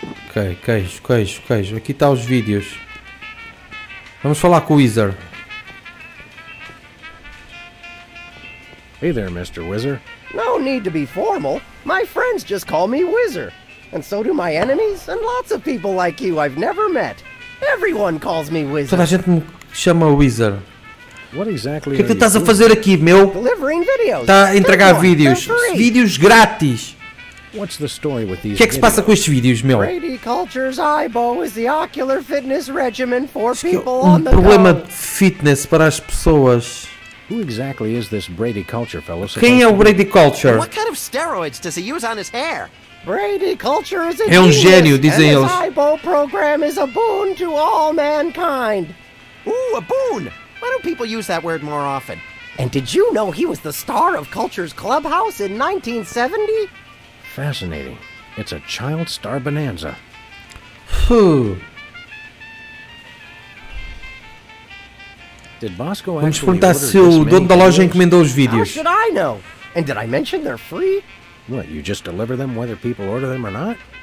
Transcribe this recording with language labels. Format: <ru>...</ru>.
<pt>Ok, queijo. Aqui está os vídeos. Vamos falar com o Wizard.</pt> <en>Hey there, Mr. Wizard. No need to be formal. My friends just call me Wizard. And so do my enemies and lots of people like you I've never met. Everyone calls me Wizard.</en> <pt>Toda a gente me chama Wizard.</pt> <en>What exactly</en> <pt>o que é que tu estás a fazer aqui, meu?</pt> <en>Delivering videos.</en> <pt>Está a entregar vídeos. Vídeos grátis.</pt> <en>What's the story with these?</en> <pt>O que é que se passa com estes vídeos, meu?</pt> <en>Brady Culture's IBO is the ocular fitness regimen for people on the</en> <pt>problema de fitness para as pessoas.</pt> <en>Who exactly is this Brady Culture fellow?</en> <pt>Quem é o Brady Culture?</pt> <en>What kind of steroids does he use on his hair? Brady Culture is a genius.</en> <pt>É um gênio, dizem eles.</pt> <en>His IBO program is a boon to all mankind. Ooh, a boon. Why don't people use that word more often? And did you know he was the star of Culture's Clubhouse in 1970? Fascinating. It's a child star bonanza. Did Bosco</en> <pt>Vamos perguntar se o dono da loja encomendou os vídeos.</pt> <en>How should I know? And did I mention they're free? What, you just deliver them whether people order them or not?</en>